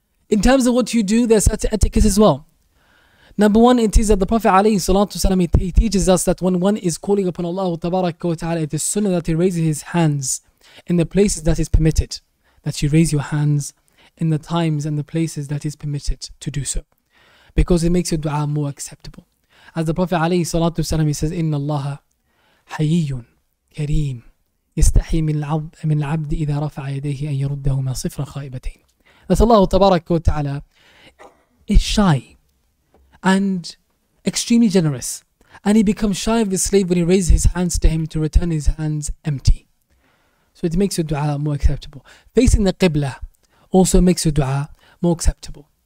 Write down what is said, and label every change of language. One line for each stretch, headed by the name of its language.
English: In terms of what you do, there's certain etiquettes as well. Number one, it is that the Prophet alayhi salatu wasalam, he teaches us that when one is calling upon Allah tabaraka wa ta'ala, it is sunnah that he raises his hands in the places that is permitted. That you raise your hands in the times and the places that is permitted to do so, because it makes your dua more acceptable. As the Prophet alayhi salatu wasalam, he says,
Arabic: إِنَّ اللَّهَ حَيِّيٌ كَرِيمٌ يَسْتَحِي مِنْ الْعَبْدِ إِذَا رَفَعَ يَدَيْهِ أَنْ يَرُدَّهُمَا صِفْرًا خَائِبَتَيْنِ.
English: That Allah tabaraka wa ta'ala is shy and extremely generous, and he becomes shy of his slave when he raises his hands to him to return his hands empty. So it makes your dua more acceptable. Facing the qibla also makes your dua more acceptable.